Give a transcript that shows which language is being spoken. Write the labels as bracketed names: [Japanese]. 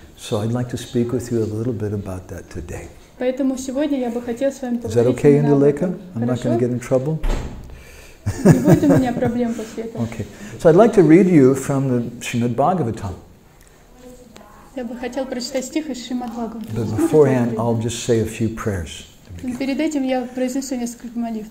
[English] So I'd like to speak with you a little bit about that today. [Russian] Поэтому сегодня я бы хотел с вами поговорить. [English] Is that okay, Indulekha? I'm not going to get in trouble. [Russian] Не будет у меня проблем после этого. [English] Okay. So I'd like to read you from the Srimad Bhagavatam. [Russian] Я бы хотел прочитать стих из Шримад Бхагаватам. [English] But beforehand, I'll just say a few prayers. [Russian] Перед этим я произнесу несколько молитв.